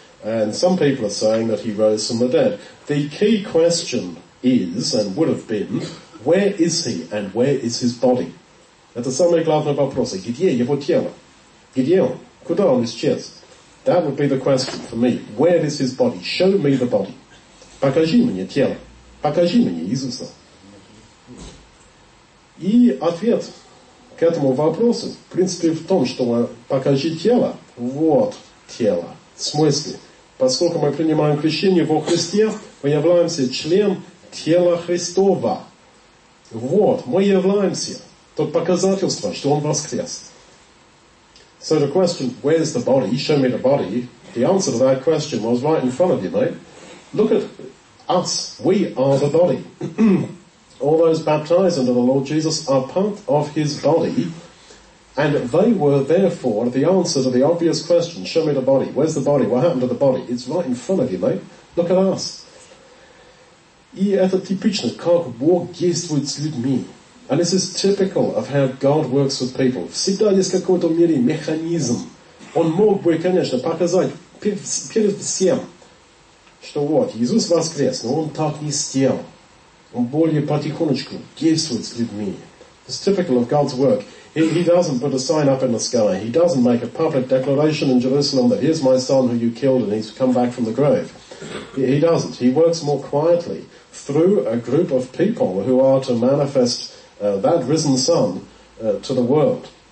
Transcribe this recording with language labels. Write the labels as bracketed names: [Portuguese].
[English] And some people are saying that he rose from the dead. The key question is, and would have been, where is he and where is his body? [Russian] Это самый главный вопрос. Где его тело? Где он? Куда он исчез? [English] That would be the question for me. Where is his body? Show me the body. [Russian] Покажи мне тело. Покажи мне Иисуса. И ответ к этому вопросу, в принципе, в том, что покажи тело. Вот тело. В смысле? Поскольку мы принимаем крещение во Христе, мы являемся членом тела Христова. Вот, мы являемся тот показательство, что он воскрес. [English] So the question, where's the body? Show me the body. The answer to that question was right in front of you, mate. Look at us. We are the body. All those baptized into the Lord Jesus are part of his body. And they were therefore the answer to the obvious question, show me the body. Where's the body? What happened to the body? It's right in front of you, mate. Look at us. [Russian] И это типично, как Бог действует с людьми. [English] And this is typical of how God works with people. [Russian] Всегда есть какой-то мере механизм. Он мог бы, конечно, показать перед всем, что вот, Иисус воскрес, но Он так не сделал. Он более потихонечку действует с людьми. [English] It's typical of God's work. He doesn't put a sign up in the sky. He doesn't make a public declaration in Jerusalem that here's my son who you killed and he's come back from the grave. He doesn't. He works more quietly through a group of people who are to manifest that risen son to the world.